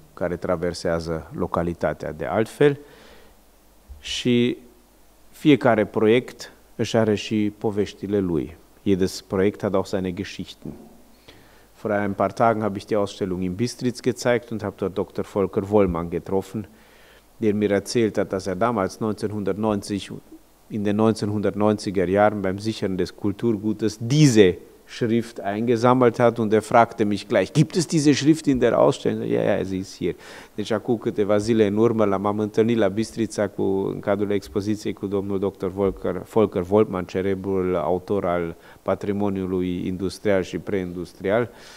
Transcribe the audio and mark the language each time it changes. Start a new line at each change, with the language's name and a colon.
Romanian: Care traversează localitatea de altfel și fiecare proiect își are și poveștile lui.
German: Jedes Projekt hat auch seine Geschichten. Vor ein paar Tagen habe ich die Ausstellung in Bistritz gezeigt und habe dort Dr. Volker Wollmann getroffen, der mir erzählt hat, dass damals 1990, in den 1990er Jahren beim Sichern des Kulturgutes diese Schrift eingesammelt hat und er fragte mich gleich, gibt es diese Schrift in der Ausstellung? Ja, ja, sie ist hier.
Romanian: Deci acum câteva zile în urmă l-am întâlnit la Bistrița cu, în cadrul expoziției cu domnul Dr. Volker Wolfmann, cerebrul autor al patrimoniului industrial și preindustrial.